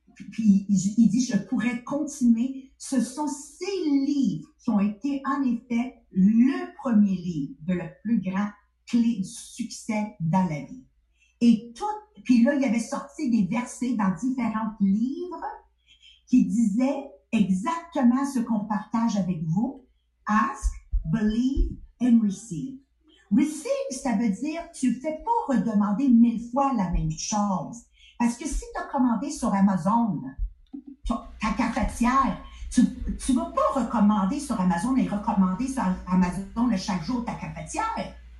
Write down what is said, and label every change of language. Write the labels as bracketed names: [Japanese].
[French] Puis il dit, je pourrais continuer. Ce sont ces livres qui ont été, en effet, le premier livre de la plus grande clé du succès dans la vie. Et tout, puis là, il avait sorti des versets dans différents livres qui disaient exactement ce qu'on partage avec vous. [English] Ask, believe, and receive. [French] Receive, ça veut dire tu ne fais pas redemander mille fois la même chose. Parce que si tu as commandé sur Amazon ta cafetière, tu ne vas pas recommander sur Amazon et recommander sur Amazon chaque jour ta cafetière.